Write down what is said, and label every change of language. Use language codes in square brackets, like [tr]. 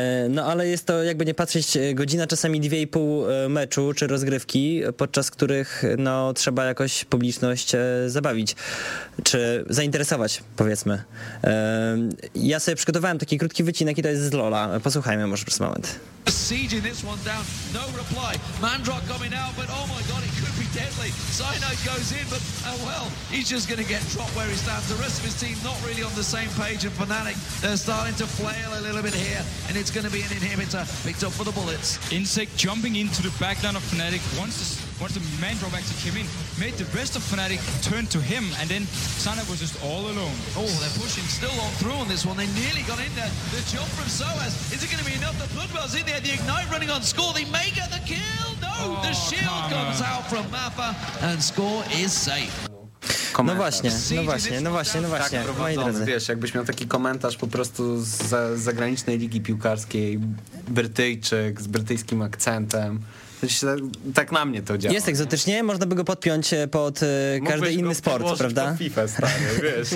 [pl] No ale jest to, jakby nie patrzeć, godzina, czasami 2,5 meczu czy rozgrywki, podczas których no, trzeba jakoś publiczność zabawić, czy zainteresować, powiedzmy. Ja sobie przygotowałem taki krótki wycinek i to jest z LoL'a. Posłuchajmy może przez moment. [en] Sieging this one down, no reply. Mandrak coming out, but oh my god, it could be deadly. Cyanide goes in, but oh well, he's just gonna get dropped where he stands. The rest of his team not really on the same page, and Fnatic, they're starting to flail a little bit here, and it's gonna be an inhibitor picked up for the bullets. Insect jumping into the back line of Fnatic once the Mandrak actually came in, made the rest of Fnatic turn to him, and then Cyanide was just all alone. Oh, they're pushing still on through on this one. They nearly got in there. The jump from Soaz, is it gonna be enough? The Bloodwell's in. The Ignite running on score, they may get the kill. No, oh, the shield comes out from Mappa and score is safe. [pl] Komentarz. No właśnie. Tak, moi drodzy. Wiesz, jakbyś miał taki komentarz po prostu z zagranicznej ligi piłkarskiej, Brytyjczyk z brytyjskim akcentem. Tak na mnie to działa. Jest egzotycznie, można by go podpiąć pod każdy inny sport, prawda? FIFA stary, wiesz.